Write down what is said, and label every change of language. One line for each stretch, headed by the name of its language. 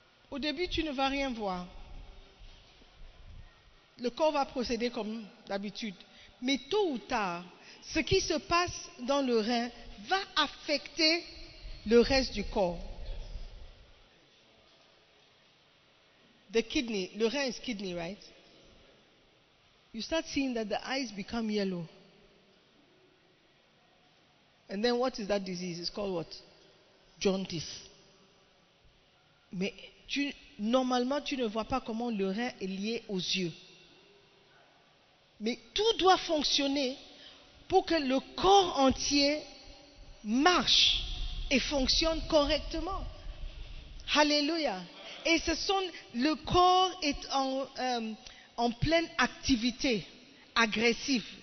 French: Au début, tu ne vas rien voir. Le corps va procéder comme d'habitude. Mais tôt ou tard, ce qui se passe dans le rein va affecter le reste du corps.
English: The kidney, le rein is kidney, right? You start seeing that the eyes become yellow. And then what is that disease? It's called what? Jaundice. Mais
French: normalement, tu ne vois pas comment le rein est lié aux yeux. Mais tout doit fonctionner pour que le corps entier marche et fonctionne correctement. Alléluia. Et le corps est en pleine activité agressive.